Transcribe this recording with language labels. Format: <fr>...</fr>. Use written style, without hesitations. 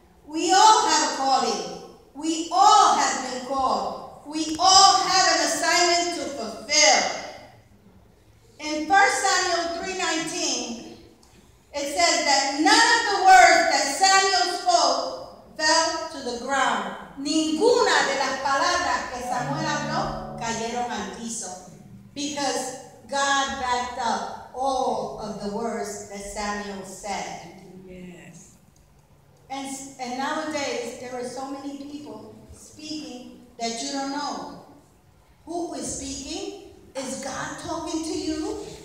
<en>We all have a calling. We all have been called. We all have an assignment to fulfill. In 1 Samuel 3:19, it says that none of the words that Samuel spoke fell to the ground.</en> <es>Ninguna de las palabras que Samuel habló cayeron al piso.</es> <en>Because God backed up all of the words that Samuel said. Yes. And nowadays, there are so many people speaking that you don't know. Who is speaking? Is God talking to you?</en>